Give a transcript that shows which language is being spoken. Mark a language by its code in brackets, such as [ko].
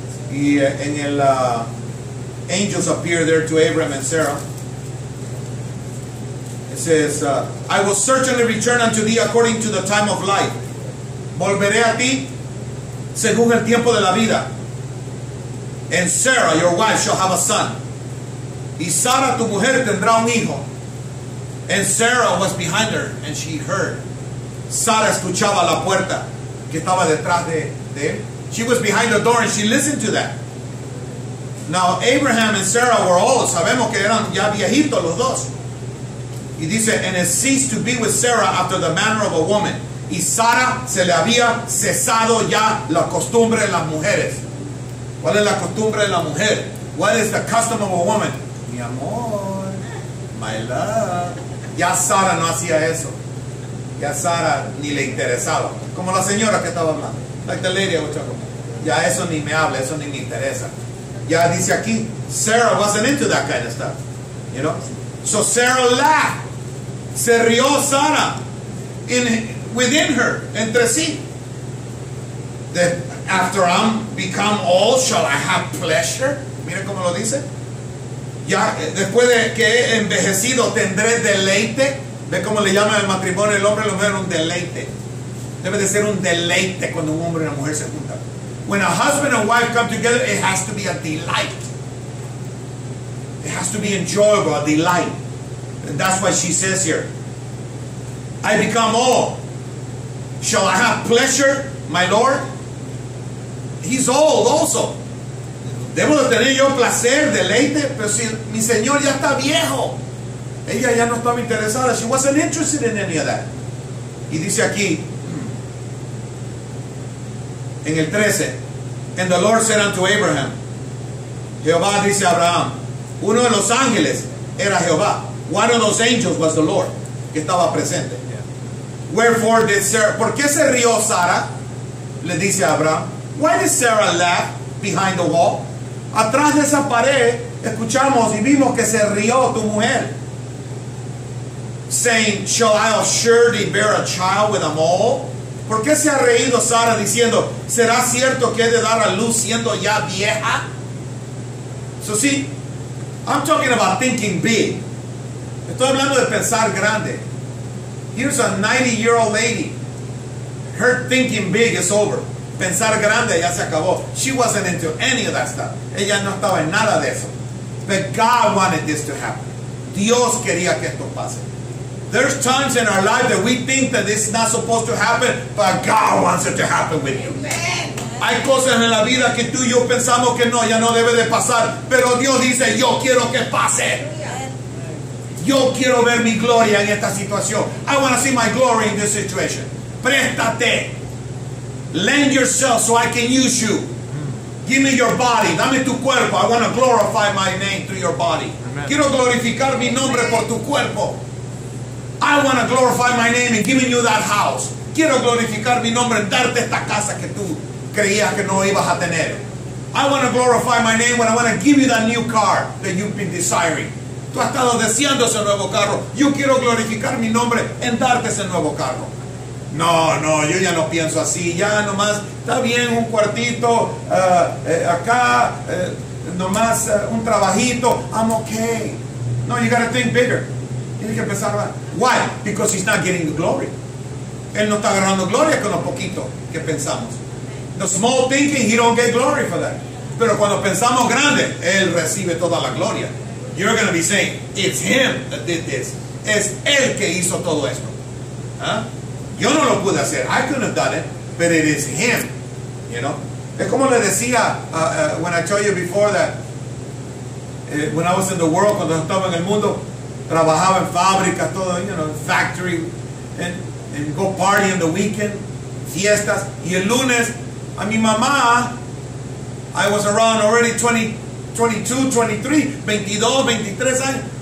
[es] Y en el... [en] angels appear there to Abraham and Sarah. It says, I will certainly return unto thee according to the time of life. [es] Volveré a ti según el tiempo de la vida. [en] And Sarah, your wife, shall have a son. [es] Y Sara, tu mujer, tendrá un hijo. [en] And Sarah was behind her, and she heard. [es] Sara escuchaba la puerta que estaba detrás de él. [en] She was behind the door, and she listened to that. Now, Abraham and Sarah were old. [es] Sabemos que eran ya viejitos los dos. Y dice, [en] and it ceased to be with Sarah after the manner of a woman. [es] Y Sara se le había cesado ya la costumbre de las mujeres. ¿Cuál es la costumbre de la mujer? [en] What is the custom of a woman? [es] Mi amor, [en] my love. [es] Ya Sara no hacía eso. Ya Sara ni le interesaba. Como la señora que estaba hablando. [en] Like the lady I was talking about. [es] Ya eso ni me habla, eso ni me interesa. Ya dice aquí, [en] Sarah wasn't into that kind of stuff. You know? So Sarah laughed. [es] Se rió Sara [en] within her, [es] entre sí. [en] That after I'm become old, shall I have pleasure? [es] Mira cómo lo dice. Ya después de que he envejecido, tendré deleite. Ve cómo le llama el matrimonio el hombre, lo mejor un deleite. Debe de ser un deleite cuando un hombre y una mujer se juntan. [en] When a husband and wife come together, it has to be a delight. It has to be enjoyable, a delight. And that's what she says here. I become old. Shall I have pleasure, my Lord? He's old also. [es] Debo de tener yo placer, deleite, pero si mi señor ya está viejo. Ella ya no estaba interesada. [en] She wasn't interested in any of that. [es] Y dice aquí, en el 13, [en] and the Lord said unto Abraham, [es] Jehová dice a Abraham, uno de los ángeles era Jehová, [en] one of those angels was the Lord, [es] que estaba presente. [en] Yeah. Wherefore did Sarah, [es] ¿por qué se rió Sara? Le dice a Abraham, [en] why did Sarah laugh behind the wall? [es] Atrás de esa pared, escuchamos y vimos que se rió tu mujer. [en] Saying, shall I surely bear a child with them all? [es] ¿Por qué se ha reído Sara diciendo, será cierto que he de dar a luz siendo ya vieja? [en] So see, I'm talking about thinking big. [es] Estoy hablando de pensar grande. [en] Here's a 90-year-old lady. Her thinking big is over. [es] Pensar grande ya se acabó. [en] She wasn't into any of that stuff. [es] Ella no estaba en nada de eso. [en] But God wanted this to happen. [es] Dios quería que esto pase. [en] There's times in our life that we think that this is not supposed to happen, but God wants it to happen with you. [es] Hay cosas en la vida que tú y yo pensamos que no, ya no debe de pasar, pero Dios dice, yo quiero que pase. Yo quiero ver mi gloria en esta situación. [en] I want to see my glory in this situation. [es] Préstate. [en] Lend yourself so I can use you. Give me your body. [es] Dame tu cuerpo. [en] I want to glorify my name through your body. Amen. [es] Quiero glorificar mi nombre por tu cuerpo. [en] I want to glorify my name in giving you that house. [es] Quiero glorificar mi nombre en darte esta casa que tú creías que no ibas a tener. [en] I want to glorify my name when I want to give you that new car that you've been desiring. [es] Tú has estado deseando ese nuevo carro. Yo quiero glorificar mi nombre en darte ese nuevo carro. No, no, yo ya no pienso así. Ya nomás, está bien un cuartito acá, nomás un trabajito. [en] I'm okay. No, you got to think bigger. [es] Tienes que pensar más. [en] Why? Because he's not getting the glory. [es] Él no está agarrando gloria con lo poquito que pensamos. [en] The small thinking, he don't get glory for that. [es] Pero cuando pensamos grande, él recibe toda la gloria. [en] You're going to be saying, it's him that did this. [es] Es él que hizo todo esto. ¿Ah? Yo no lo pude hacer. [en] I couldn't have done it, but it is him. You know? [es] Es como le decía, [en] when I told you before that, when I was in the world, [es] cuando estaba en el mundo, trabajaba en fábricas, todo, [en] you know, factory, and go party on the weekend, [es] fiestas, y el lunes, a mi mamá, [en] I was around already 22, 23 años.